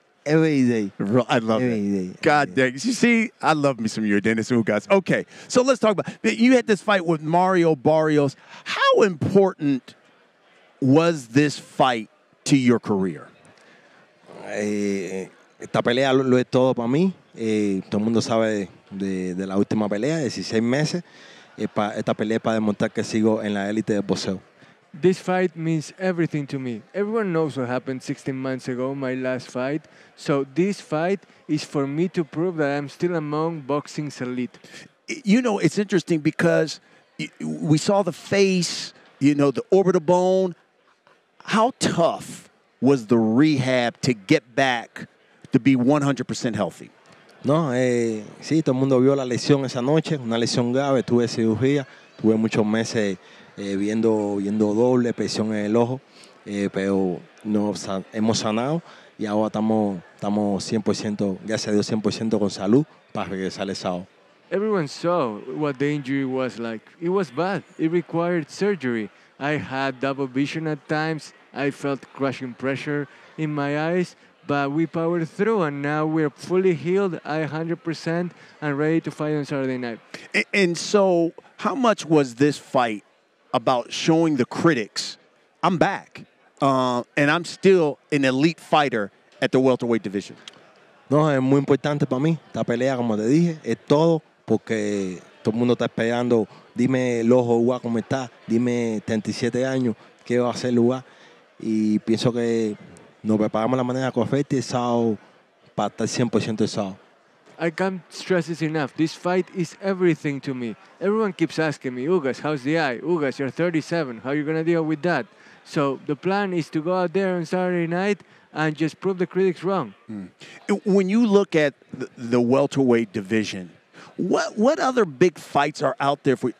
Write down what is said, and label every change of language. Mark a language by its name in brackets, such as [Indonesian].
[English] Every day. I love every it. Day. God every dang. Day. You see, I love me some Yordenis Ugas. Okay, so let's talk about, you had this fight with Mario Barrios. How important was this fight to your career? [Spanish] Esta pelea lo es todo para mí. Todo el mundo sabe de la última pelea, 16 meses. Esta pelea para demostrar que sigo en la élite del boxeo. [English] This fight means everything to me. Everyone knows what happened 16 months ago, my last fight. So this fight is for me to prove that I'm still among boxing's elite. You know, it's interesting because we saw the face, you know, the orbital bone. How tough was the rehab to get back to be 100% healthy? [Spanish] No, sí, todo el mundo vio la lesión esa noche, una lesión grave, tuve cirugía, tuve muchos meses viendo doble presión en el ojo, pero hemos sanado y ahora estamos 100%, gracias a Dios, 100% con salud para regresar el sábado. [English] Everyone saw what the injury was like. It was bad. It required surgery. I had double vision at times. I felt crushing pressure in my eyes, but we powered through, and now we're fully healed, 100%, and ready to fight on Saturday night. And so how much was this fight about showing the critics, I'm back, and I'm still an elite fighter at the welterweight division? [Spanish] No, es muy importante para mí. Esta pelea, como te dije, es todo, porque todo el mundo está esperando. Dime el ojo, Ugas, ¿cómo está? Dime 37 años, ¿qué va a hacer Ugas? Y pienso que nos preparamos la manera correcta el sábado para estar 100% el sábado. [English] I can't stress this enough. This fight is everything to me. Everyone keeps asking me, Ugas, how's the eye? Ugas, you're 37. How are you going to deal with that? So the plan is to go out there on Saturday night and just prove the critics wrong. Mm. When you look at the welterweight division, what other big fights are out there for you?